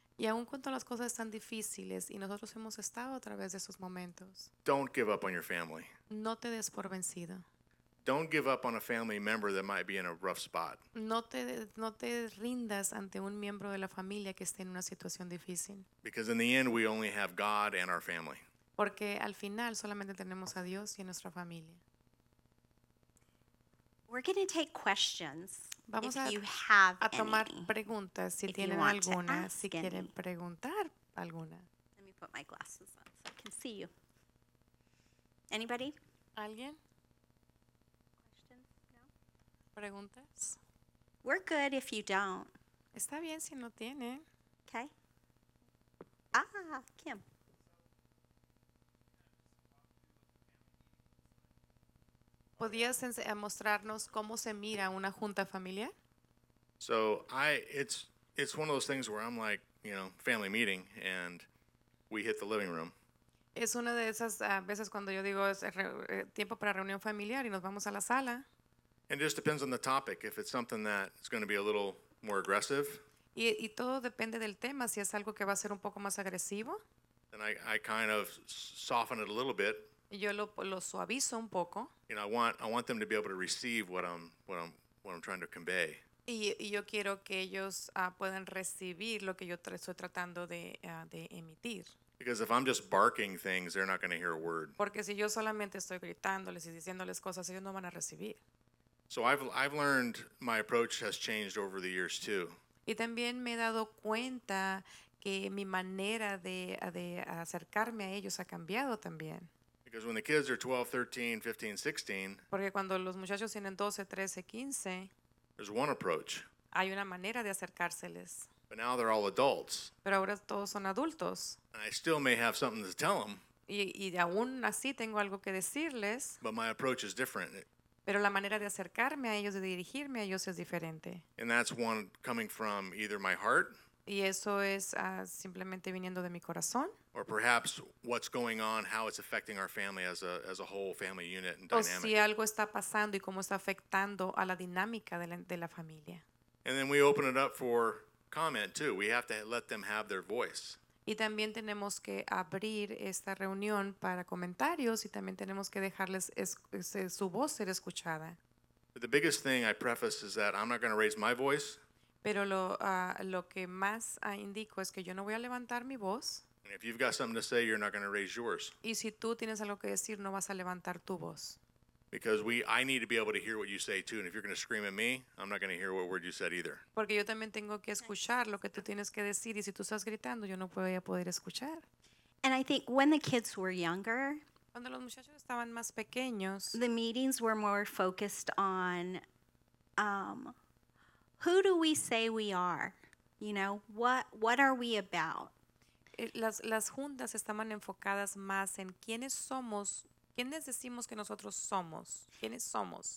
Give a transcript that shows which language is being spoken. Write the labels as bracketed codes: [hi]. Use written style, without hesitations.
[es] Y aun cuando las cosas están difíciles y nosotros hemos estado a través de esos momentos. [en] Don't give up on your family. [es] No te des por vencido. [en] Don't give up on a family member that might be in a rough spot. [es] No te rindas ante un miembro de la familia que esté en una situación difícil. [en] Because in the end we only have God and our family. [es] Porque al final solamente tenemos a Dios y a nuestra familia. [en] We're going to take questions. [es] Vamos [en] if you have [es] a tomar [en] any. [es] Preguntas si [en] if [es] tienen alguna, si quieren [en] any. [es] Preguntar alguna. [en] Let me put my glasses on so I can see you. Anybody? [es] ¿Alguien? [en] Questions? No? [es] ¿Preguntas? [en] We're good if you don't. [es] Está bien si no tiene. [en] Okay. Kim. [es] ¿Podías mostrarnos cómo se mira una junta familiar? [en] So it's one of those things where I'm like, you know, family meeting, and we hit the living room. [es] Es una de esas veces cuando yo digo es tiempo para reunión familiar y nos vamos a la sala. [en] And it just depends on the topic. If it's something that is going to be a little more aggressive. [es] Y todo depende del tema. Si es algo que va a ser un poco más agresivo. [en] Then I kind of soften it a little bit. [es] Yo lo suavizo un poco. [en] You know, I want them to be able to receive what I'm trying to convey. [es] Y yo quiero que ellos puedan recibir lo que yo estoy tratando de emitir. [en] Because if I'm just barking things, they're not going to hear a word. [es] Porque si yo solamente estoy gritándoles y diciéndoles cosas, ellos no van a recibir. [en] So I've learned my approach has changed over the years too. [es] Y también me he dado cuenta que mi manera de acercarme a ellos ha cambiado también. [en] Because when the kids are 12, 13, 15, 16. [es] Porque cuando los muchachos tienen 12, 13, 15. [en] There's one approach. [es] Hay una manera de acercárseles. [en] But now they're all adults. [es] Pero ahora todos son adultos. [en] And I still may have something to tell them. [es] Y aún así tengo algo que decirles. [en] But my approach is different. [es] Pero la manera de acercarme a ellos, de dirigirme a ellos es diferente. [en] And that's one coming from either my heart. [es] Y eso es simplemente viniendo de mi corazón. [en] Or perhaps what's going on, how it's affecting our family as a whole family unit and dynamic. [es] O si algo está pasando y cómo está afectando a la dinámica de la familia. [en] And then we open it up for comment too. We have to let them have their voice. [es] Y también tenemos que abrir esta reunión para comentarios y también tenemos que dejarles su voz ser escuchada. [en] But the biggest thing I preface is that I'm not going to raise my voice. [es] Pero lo que más indico es que yo no voy a levantar mi voz. [en] And if you've got something to say, you're not going to raise yours. [es] Y si tú tienes algo que decir, no vas a levantar tu voz. [en] Because I need to be able to hear what you say too. And if you're going to scream at me, I'm not going to hear what word you said either. [es] Porque yo también tengo que escuchar lo que tú tienes que decir. Y si tú estás gritando, yo no voy a poder escuchar. [en] And I think when the kids were younger, [es] cuando los muchachos estaban más pequeños, [en] the meetings were more focused on who do we say we are? You know, what are we about? [es] Las juntas estaban enfocadas más en quiénes somos, quiénes decimos que nosotros somos, quiénes somos.